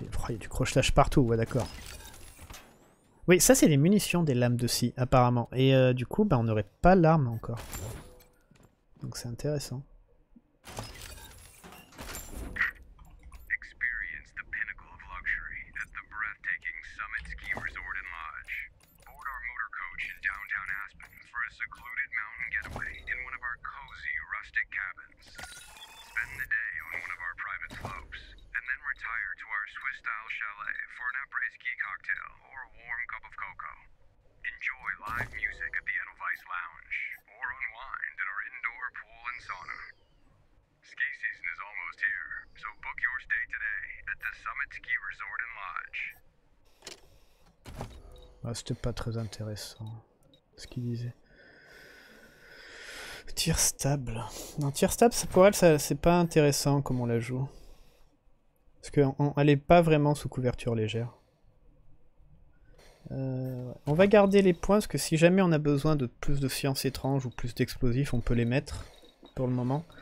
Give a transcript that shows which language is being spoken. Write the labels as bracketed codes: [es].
[fr] Il y a du crochetage partout, ouais d'accord. Oui, ça c'est des munitions des lames de scie, apparemment. Et du coup, bah, on n'aurait pas l'arme encore. Donc c'est intéressant. [en] Experience the pinnacle of luxury at the breathtaking summit ski resort and lodge. Board our motor coach in downtown Aspen for a secluded mountain getaway in one of our cozy rustic cabins. Spend the day on one of our private slopes. Retire to our Swiss style chalet for an après-ski cocktail or a warm cup of cocoa. Enjoy live music at the Edelweiss Lounge or unwind at our indoor pool and sauna. Ski season is almost here, so book your stay today at the Summit Ski Resort and Lodge. [fr] Ah, c'était pas très intéressant ce qu'il disait. Tir stable. Non, tir stable, ça, pour elle, ça, c'est pas intéressant comme on la joue. Parce qu'on n'allait pas vraiment sous couverture légère. On va garder les points, parce que si jamais on a besoin de plus de sciences étranges ou plus d'explosifs, on peut les mettre pour le moment.